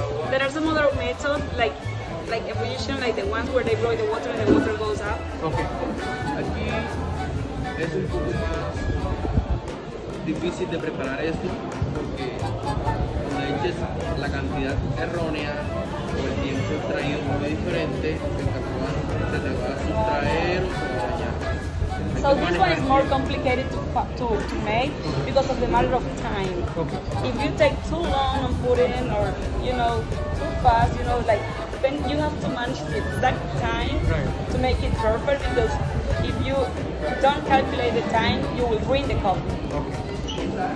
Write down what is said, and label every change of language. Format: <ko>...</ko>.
<en>There are some other methods like ebullition, like the ones where they blow the water and the water goes up. Okay.</en> <es>Aquí es un poco más difícil de preparar esto porque cuando eches la cantidad errónea o el tiempo extraído muy diferente, el café se te va a sustraer o se va a dañar.</es> <en>So this one is more complicated to make because of the matter of time. Okay. If you take too long on putting or, you know, too fast, you know, like, then you have to manage the exact time to make it perfect because if you don't calculate the time, you will ruin the coffee.</en>